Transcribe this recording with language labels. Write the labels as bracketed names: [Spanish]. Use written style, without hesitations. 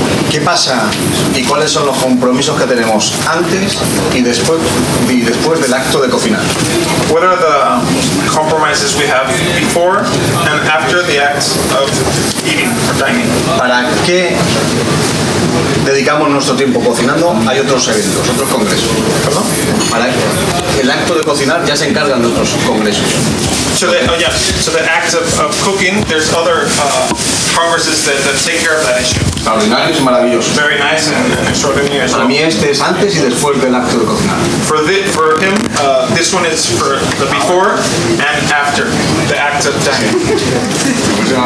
[Spanish] ¿Qué pasa y cuáles son los compromisos que tenemos antes y después del acto de cocinar? [English] What are the compromises we have before and after the act of eating or dining? [Spanish] ¿Para qué dedicamos nuestro tiempo cocinando? Hay otros eventos, otros congresos. ¿Perdón? Para el acto de cocinar ya se encargan de otros congresos. [English] So the act of cooking, there's other congresses that take care of that issue. [Spanish] Extraordinarios y maravillosos. [English] Very nice and extraordinary as well. [Spanish] Para mí este es antes y después del acto de cocinar. [English] For him, this one is for the before and after the act of dining.